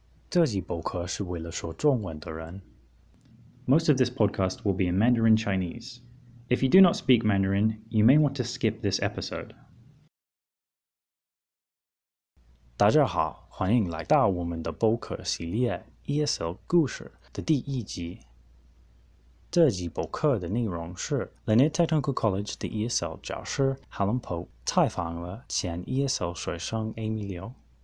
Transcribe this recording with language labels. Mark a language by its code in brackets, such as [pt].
[zh] 这集播客是为了说中文的人. [en] Most of this podcast will be in Mandarin Chinese. If you do not speak Mandarin, you may want to skip this episode. [zh] 大家好, 欢迎来到我们的播客系列 ESL 故事的第一集. 这集播客的内容是 Lanier Technical College 的 ESL 教师 Helen Poe 采访了前 ESL 学生 Amy Liu.